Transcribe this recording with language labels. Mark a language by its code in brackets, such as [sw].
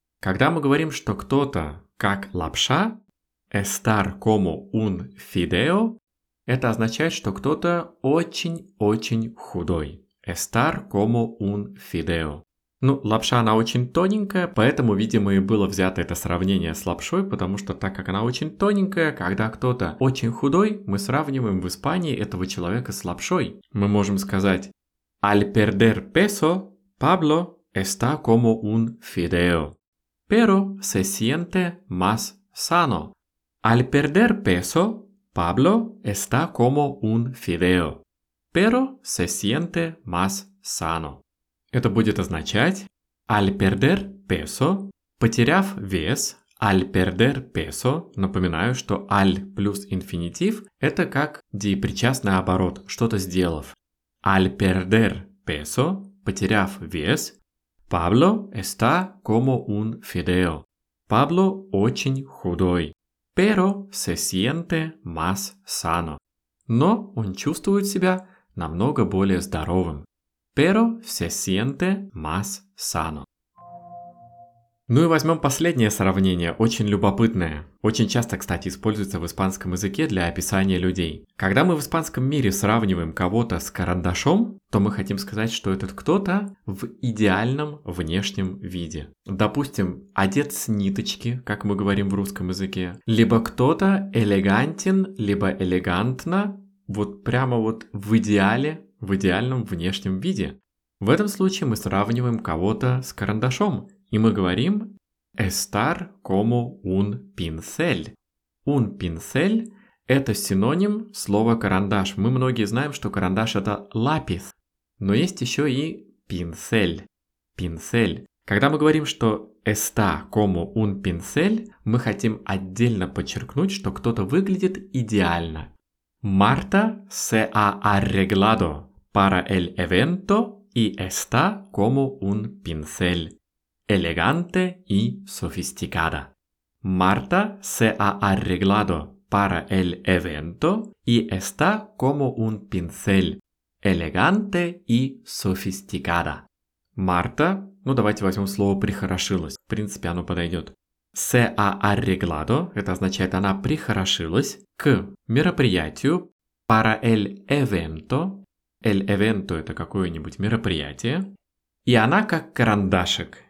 [ru] Когда мы говорим, что кто-то как лапша, [es] «estar como un fideo», [ru] это означает, что кто-то очень-очень худой. [es] «Estar como un fideo». [ru] Ну, лапша, она очень тоненькая, поэтому, видимо, и было взято это сравнение с лапшой, потому что так как она очень тоненькая, когда кто-то очень худой, мы сравниваем в Испании этого человека с лапшой. Мы можем сказать [es] «Al perder peso, Pablo está como un fideo, pero se siente más sano». «Al perder peso, Pablo está como un fideo, pero se siente más sano». [ru] Это будет означать [es] «al perder peso», [ru] потеряв вес, «al perder peso», напоминаю, что «al» плюс инфинитив – это как деепричастный оборот, что-то сделав. [es] «Al perder peso», [ru] потеряв вес, [es] «Pablo está como un fideo». [ru] «Pablo очень худой». [es] «Pero se siente más sano». [ru] Но он чувствует себя намного более здоровым. [es] Pero se siente más sano. [ru] Ну и возьмем последнее сравнение, очень любопытное. Очень часто, кстати, используется в испанском языке для описания людей. Когда мы в испанском мире сравниваем кого-то с карандашом, то мы хотим сказать, что этот кто-то в идеальном внешнем виде. Допустим, одет с ниточки, как мы говорим в русском языке. Либо кто-то элегантен, либо элегантно, вот прямо вот в идеале, в идеальном внешнем виде. В этом случае мы сравниваем кого-то с карандашом. И мы говорим [es] «estar como un pincel». «Un pincel» [ru] — это синоним слова «карандаш». Мы многие знаем, что карандаш — это «lápiz». Но есть еще и «pincel». [es] «Pincel». [ru] Когда мы говорим, что [es] «está como un pincel», [ru] мы хотим отдельно подчеркнуть, что кто-то выглядит идеально. [es] «Marta se ha arreglado para el evento y está como un pincel». Elegante y sofisticada. Marta se ha arreglado para el evento y está como un pincel. Elegante y sofisticada. [ru] Marta, ну давайте возьмем слово «прихорошилась». В принципе, оно подойдет. [es] Se ha arreglado, [ru] это означает «она прихорошилась», к мероприятию [es] para el evento. El evento [ru] — это какое-нибудь мероприятие. И она как карандашик.